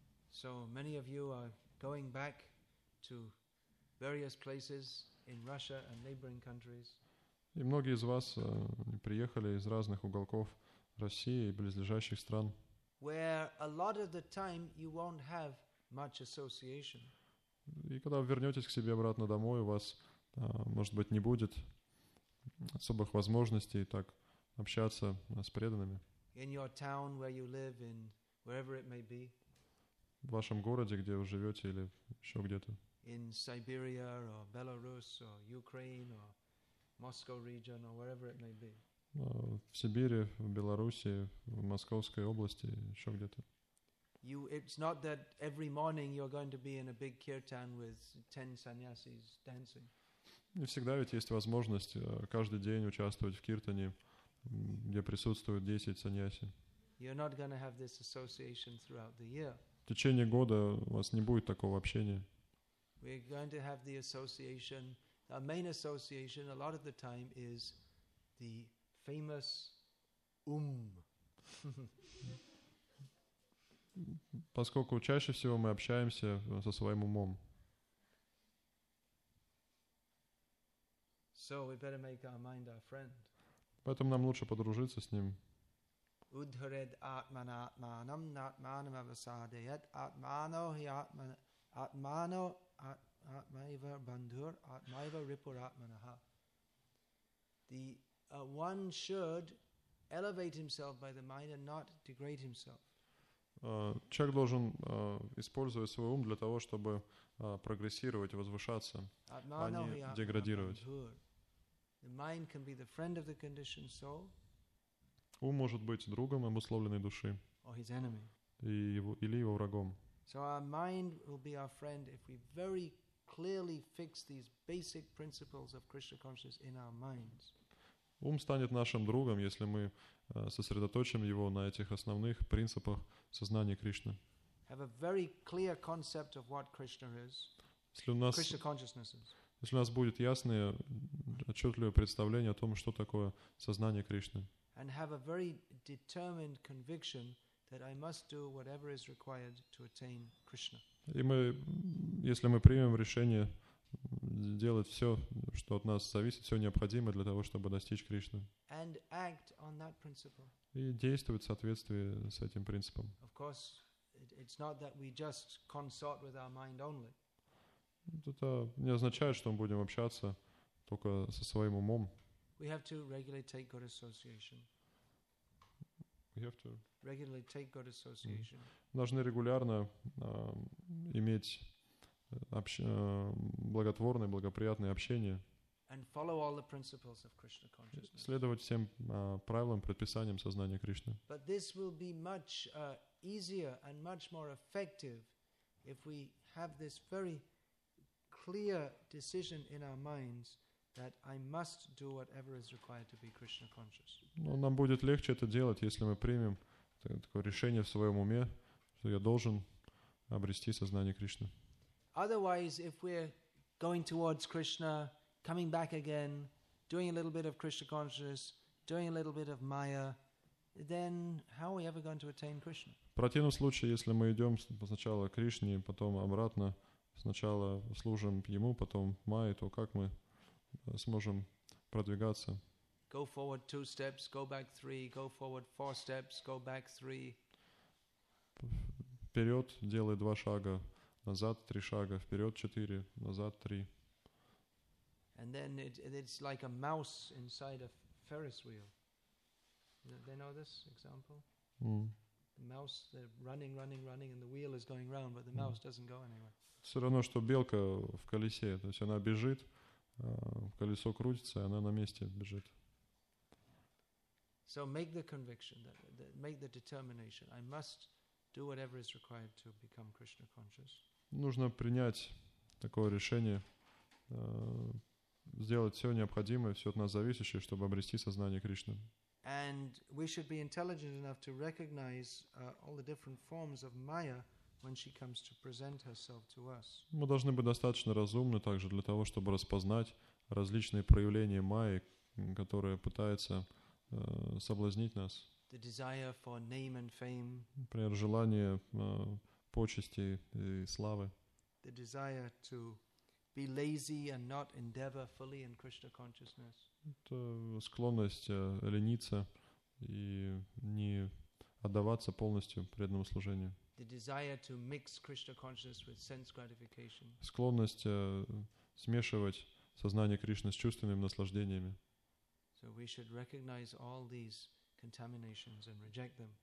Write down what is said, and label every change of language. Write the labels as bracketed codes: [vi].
[en] So many of you are going back to various places in Russia and neighboring countries. [ru] И многие из вас приехали из разных уголков России и близлежащих стран. [en] Where a lot of the time you won't have much association. [ru] И когда вы вернетесь к себе обратно домой, у вас, может быть, не будет особых возможностей так общаться с преданными. [en] In your town where you live, in wherever it may be. [ru] В вашем городе, где вы живете, или еще где-то. [en] In Siberia or Belarus or Ukraine or Moscow region or wherever it may be. [ru] В Сибири, в Беларуси, в Московской области, еще где-то. [en] It's not that every morning you're going to be in a big kirtan with 10 sannyasis dancing. [ru] Не всегда ведь есть возможность каждый день участвовать в киртане, где присутствуют 10 саньяси. [en] You're not going to have this association throughout the year. [ru] В течение года у вас не будет такого общения. [en] We're going to have the association. Our main association a lot of the time is the famous [ru] Поскольку чаще всего мы общаемся со своим умом. [en] So we better make our mind our friend. [ru] Поэтому нам лучше подружиться с ним. [sa] Удхред атмана атманам натманам авасадеят атмано хи атмано атмайва бандхур атмайва рипур атманаха. [en] The one should elevate himself by the mind and not degrade himself. [ru] Человек должен использовать свой ум для того, чтобы прогрессировать, возвышаться, а не деградировать. [en] The mind can be the friend of the conditioned soul. [ru] Ум может быть другом обусловленной души. [en] Or his enemy. [ru] Или его врагом. [en] So our mind will be our friend if we very clearly fix these basic principles of Krishna consciousness in our minds. [ru] Ум станет нашим другом, если мы сосредоточим его на этих основных принципах сознания Кришны. [en] Have a very clear concept of what Krishna is. Krishna consciousness is. [ru] Если у нас будет ясное, отчетливое представление о том, что такое сознание Кришны. [en] And have a very determined conviction that I must do whatever is required to attain Krishna. [ru] И мы, если мы примем решение делать все, что от нас зависит, все необходимое для того, чтобы достичь Кришны. [en] And act on that principle. [ru] И действовать в соответствии с этим принципом. [en] Of course, it's not that we just consort with our mind only. [ru] Это не означает, что мы будем общаться только со своим умом. [en] We have to regularly take good association. We have to regularly take good association. [ru] Должны регулярно иметь благотворное, благоприятное общение. [en] And follow all the principles of Krishna consciousness. [ru] Следовать всем правилам, предписаниям сознания Кришны. [en] But this will be much easier and much more effective if we have this very clear decision in our minds that I must do whatever is required to be Krishna conscious. [ru] Но нам будет легче это делать, если мы примем такое решение в своем уме, что я должен обрести сознание Кришны. [en] Otherwise, if we're going towards Krishna, coming back again, doing a little bit of Krishna consciousness, doing a little bit of Maya, then how are we ever going to attain Krishna? [ru] В противном случае, если мы идем сначала к Кришне, потом обратно, сначала служим Ему, потом Майе, то как мы сможем продвигаться? [en] Go forward 2 steps, go back 3, go forward 4 steps, go back 3. [ru] Вперед, делай 2 шага, назад 3 шага, вперед 4, назад 3. [en] And then it's like a mouse inside a Ferris wheel. They know this example? The mouse, they're running, and the wheel is going round, but the mouse doesn't go anywhere. [ru] Все равно, что белка в колесе. То есть она бежит, колесо крутится, и она на месте бежит. [en] So make the conviction, make the determination. I must do whatever is required to become Krishna conscious. [ru] Нужно принять такое решение, сделать все необходимое, все от нас зависящее, чтобы обрести сознание Кришны. [en] And we should be intelligent enough to recognize all the different forms of Maya when she comes to present herself to us. [ru] Мы должны быть достаточно разумны также для того, чтобы распознать различные проявления Майи, которые пытаются соблазнить нас. [en] The desire for name and fame. [ru] Например, желание почести и славы. [en] The desire to be lazy and not endeavor fully in Krishna consciousness. [ru] Это склонность лениться и не отдаваться полностью преданному служению. [en] The desire to mix Krishna consciousness with sense gratification. [ru] Склонность смешивать сознание Кришны с чувственными наслаждениями. [en] So we should recognize all these contaminations and reject them.